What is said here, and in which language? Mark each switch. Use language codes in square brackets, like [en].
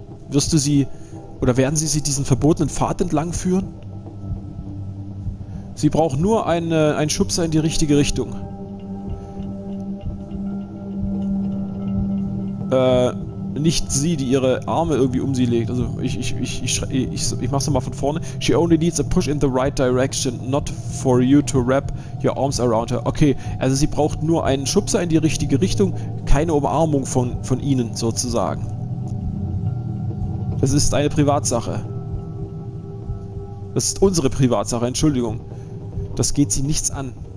[de] Wirst du sie, oder werden sie sie diesen verbotenen Pfad entlang führen? Sie braucht nur einen Schubser in die richtige Richtung. Nicht sie, die ihre Arme irgendwie um sie legt. Also ich mach's nochmal von vorne. [en] She only needs a push in the right direction, not for you to wrap your arms around her. [de] Okay, also sie braucht nur einen Schubser in die richtige Richtung, keine Umarmung von ihnen sozusagen. Das ist eine Privatsache. Das ist unsere Privatsache, Entschuldigung. Das geht sie nichts an.